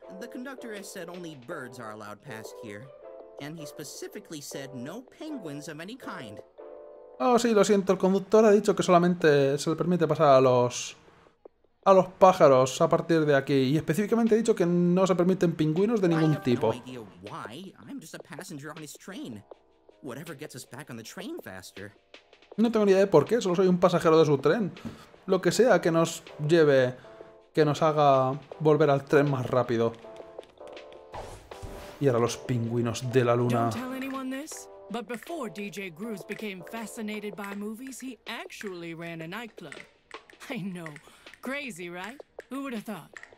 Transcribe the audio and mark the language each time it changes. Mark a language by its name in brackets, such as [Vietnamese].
[English] The conductor has said only birds are allowed past here. And he specifically said no penguins of any kind. [Spanish] Oh, sí, lo siento. El conductor ha dicho que solamente se le permite pasar a los pájaros a partir de aquí. Y específicamente ha dicho que no se permiten pingüinos de ningún tipo. [English] I have no idea why. I'm just a passenger on his train. Whatever gets us back on the train faster. [Spanish] No tengo ni idea de por qué. Solo soy un pasajero de su tren. Lo que sea que nos lleve, que nos haga volver al tren más rápido. Y ahora los pingüinos de la luna. [English] But before DJ Grooves became fascinated by movies, he actually ran a nightclub. I know. Crazy, right? Who would have thought?